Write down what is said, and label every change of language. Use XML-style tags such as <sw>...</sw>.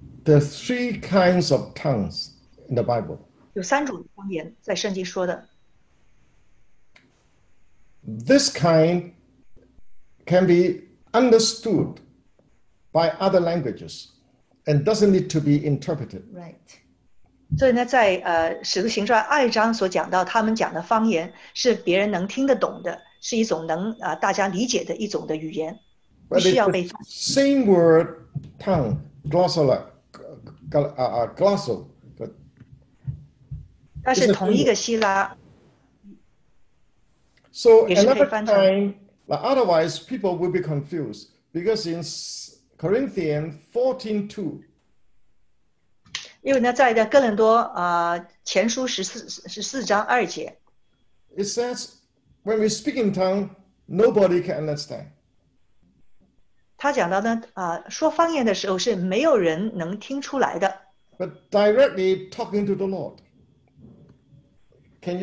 <en>There are three kinds of tongues in the Bible.</en> <zh>有三种方言在圣经说的。</zh> <en>This kind can be understood by other languages and doesn't need to be interpreted. Right.</en> <zh>所以呢，在使徒行传二章所讲到，他们讲的方言是别人能听得懂的，是一种能大家理解的一种的语言，不需要被翻译。</zh> <en>Same word, tongue, glossal, glossal.</en> <zh>它是同一个希腊。</zh> <en>So another time, like otherwise people will be confused because in Corinthians 14:2.</en> <zh>因为呢，在的哥林多前书14:2，</zh> <en>It says, when we speak in tongue, nobody can understand.</en> <zh>他讲到呢，说方言的时候是没有人能听出来的。</zh> <en>But directly talking to the Lord, can you?</en>